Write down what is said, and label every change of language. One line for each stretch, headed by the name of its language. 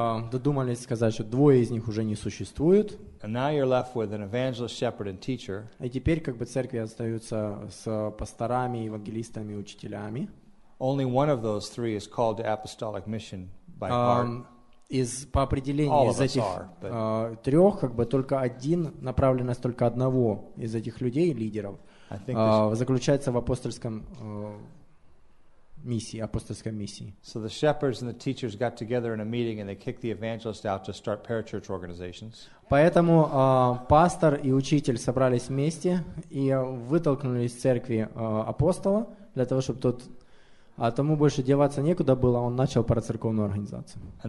Russian: Додумались сказать, что двое из них уже не существуют.
English: And now you're left with an evangelist, shepherd, and teacher.
Russian: И теперь как бы церкви остаются с пасторами, евангелистами, учителями.
English: Only one of those three is called to apostolic mission by heart.
Russian: По определению из этих трех, как бы только один, направленность только одного из этих людей, лидеров, заключается в апостольском миссии, апостольской миссии.
English: So the shepherds and the teachers got together in a meeting and they kicked the evangelist out to start parachurch organizations.
Russian: Поэтому пастор и учитель собрались вместе и вытолкнули из церкви апостола для того, чтобы тот... А тому больше деваться некуда было, он начал парацерковную организацию.